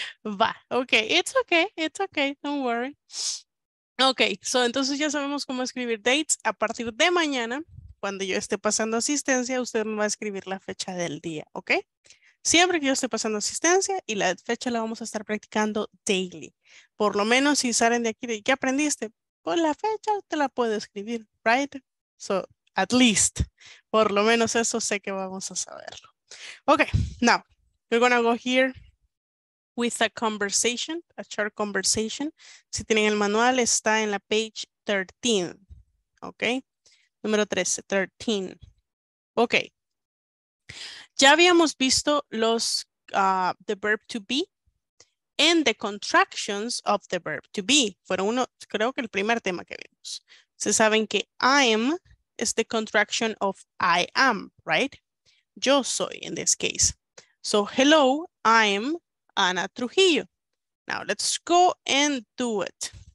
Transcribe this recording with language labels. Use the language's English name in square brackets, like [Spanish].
[English] Va, okay, it's okay, it's okay, don't worry. [Spanish] Okay, so entonces ya sabemos cómo escribir dates. A partir de mañana, cuando yo esté pasando asistencia, usted me va a escribir la fecha del día, okay? Siempre que yo esté pasando asistencia y la fecha la vamos a estar practicando daily. Por lo menos si salen de aquí, ¿qué aprendiste? Pues la fecha te la puedo escribir, right? [English] So, at least, [Spanish] por lo menos eso sé que vamos a saberlo. [English] Okay, now, we're going to go here with a conversation, a short conversation. [Spanish] Si tienen el manual, está en la page 13, okay? Número 13, 13. [English] Okay, [Spanish] ya habíamos visto los, [English] the verb to be and the contractions of the verb to be. [Spanish] Fueron uno, creo que el primer tema que vimos. Se saben que [English] I'm is the contraction of I am, right? [Spanish] Yo soy [English] in this case. So hello, I'm Ana Trujillo. Now let's go and do it.